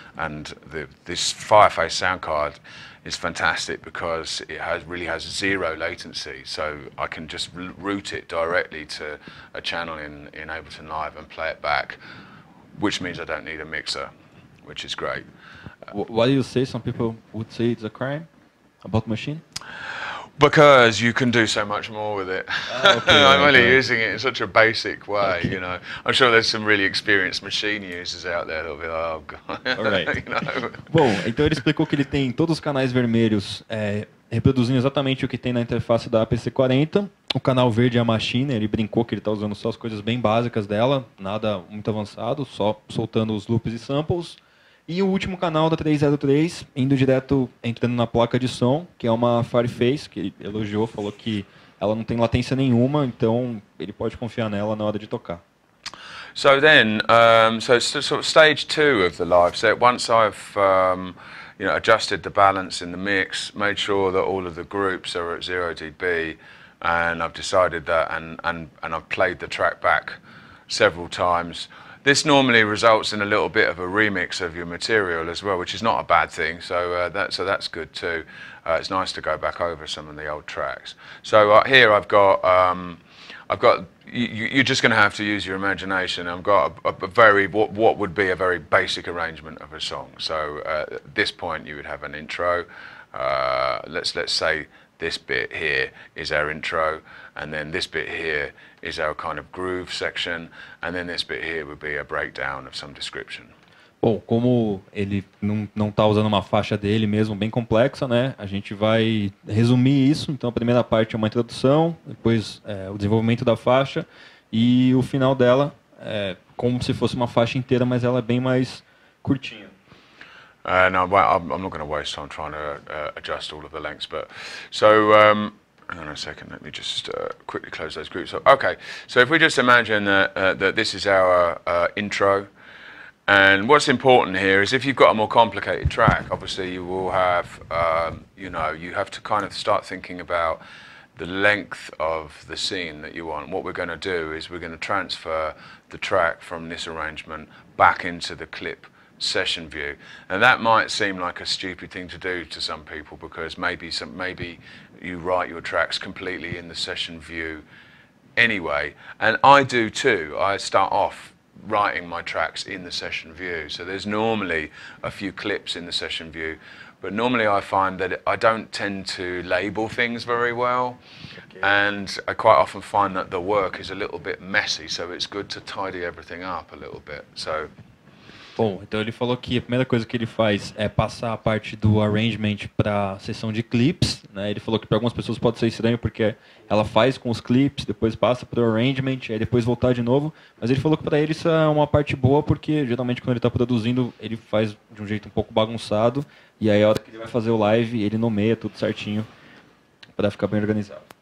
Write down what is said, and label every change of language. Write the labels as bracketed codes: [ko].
[en] And this Fireface sound card is fantastic because it really has zero latency, so I can just route it directly to a channel in Ableton Live and play it back, which means I don't need a mixer, which is great. Why do you say some people would say it's a crime about Machine? Because you can do so much more with it. I'm only using it in such a basic way, okay. You know. I'm sure there's some really experienced machine users out there that'll be like, oh, God. Right. You know? [pt] Bom, então ele explicou que ele tem todos os canais vermelhos reproduzindo exatamente o que tem na interface da APC-40. O canal verde é a Machine. Ele brincou que ele está usando só as coisas bem básicas dela, nada muito avançado, só soltando os loops e samples. E o último canal da 303, indo direto, entrando na placa de som, que é uma Fireface, que ele elogiou, falou que ela não tem latência nenhuma, então ele pode confiar nela na hora de tocar. [en] So then, so stage 2 of the live set, once I've you know, adjusted the balance in the mix, made sure that all of the groups are at 0 dB, and I've decided that, and I've played the track back several times. This normally results in a little bit of a remix of your material as well, which is not a bad thing, so that's good too. It's nice to go back over some of the old tracks. So here I've got you're just going to have to use your imagination. I've got a very what would be a very basic arrangement of a song. So at this point you would have an intro. Let's say this bit here is our intro, and then this bit here is our kind of groove section, and then this bit here would be a breakdown of some description. [pt] Bom, como ele não tá usando uma faixa dele mesmo bem complexa, né? A gente vai resumir isso. Então a primeira parte é uma introdução, depois o desenvolvimento da faixa e o final dela é como se fosse uma faixa inteira, mas ela é bem mais curtinha. [en] I'm not going to waste time trying to adjust all of the lengths, but so hang on a second, let me just quickly close those groups up. Okay, so if we just imagine that this is our intro, and what's important here is if you've got a more complicated track, obviously you will have, you know, you have to kind of start thinking about the length of the scene that you want. What we're going to do is we're going to transfer the track from this arrangement back into the clip session view, and that might seem like a stupid thing to do to some people, because maybe you write your tracks completely in the session view anyway, and I do too. I start off writing my tracks in the session view, so there's normally a few clips in the session view, but normally I find that I don't tend to label things very well, and I quite often find that the work is a little bit messy, so it's good to tidy everything up a little bit. So [pt] bom, então ele falou que a primeira coisa que ele faz é passar a parte do arrangement para a sessão de clips, né? Ele falou que para algumas pessoas pode ser estranho, porque ela faz com os clips, depois passa para o arrangement, aí depois voltar de novo. Mas ele falou que para ele isso é uma parte boa, porque geralmente quando ele está produzindo, ele faz de um jeito um pouco bagunçado, e aí a hora que ele vai fazer o live, ele nomeia tudo certinho para ficar bem organizado.